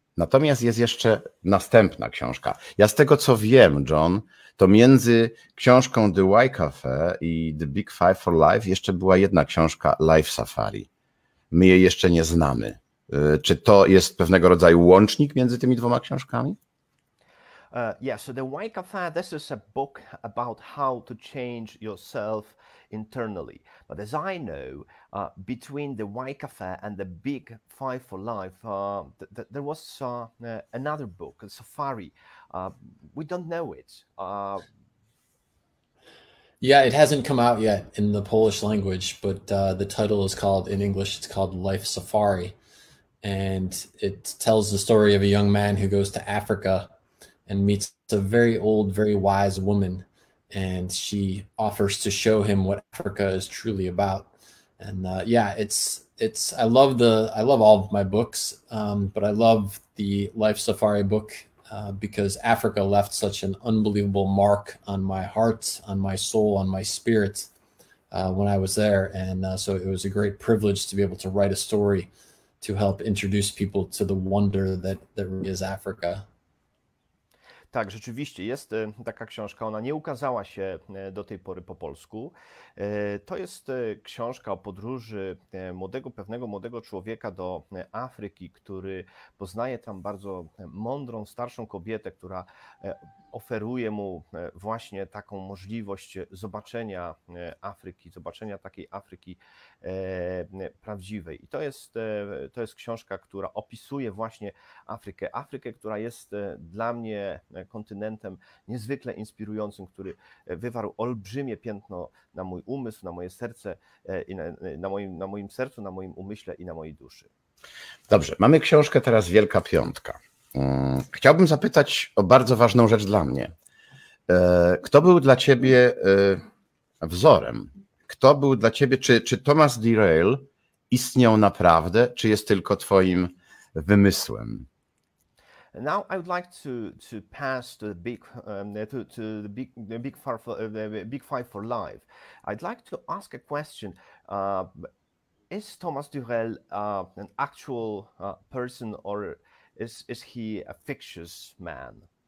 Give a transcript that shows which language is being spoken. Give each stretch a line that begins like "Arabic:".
Polish: Natomiast jest jeszcze następna książka. Ja z tego, co wiem, John, to między książką The Y Cafe i The Big Five for Life jeszcze była jedna książka, Life Safari. My jej jeszcze nie znamy. Czy to jest pewnego rodzaju łącznik między tymi dwoma książkami?
English: So the Y Cafe, this is a book about how to change yourself internally. But as I know, between the Y Cafe and the Big Five for Life, there was another book, a safari. We don't know it. It hasn't come out yet in the Polish language, but the title is called, in English, it's called Life Safari. And it tells the story of a young man who goes to Africa and meets a very old, very wise woman, and she offers to show him what Africa is truly about. And I love all of my books, but I love the Life Safari book because Africa left such an unbelievable mark on my heart, on my soul, on my spirit when I was there. And so it was a great privilege to be able to write a story to help introduce people to the wonder that really is Africa.
Polish: Tak, rzeczywiście jest taka książka, ona nie ukazała się do tej pory po polsku. To jest książka o podróży pewnego młodego człowieka do Afryki, który poznaje tam bardzo mądrą, starszą kobietę, która oferuje mu właśnie taką możliwość zobaczenia Afryki, zobaczenia takiej Afryki prawdziwej. I to jest książka, która opisuje właśnie Afrykę. Afrykę, która jest dla mnie kontynentem niezwykle inspirującym, który wywarł olbrzymie piętno na mój umysł, na moje serce, i na moim sercu, na moim umyśle i na mojej duszy. Dobrze, mamy książkę teraz Wielka Piątka. Chciałbym zapytać o bardzo ważną rzecz dla mnie. Kto był dla ciebie wzorem? Kto był dla ciebie, czy Thomas Dirrell istniał naprawdę, czy jest tylko twoim wymysłem?
English: Now I would like to pass to the big to the big the big far for the big five for life. I'd like to ask a question. Is Thomas Dirrell an actual person, or is he a fictitious man?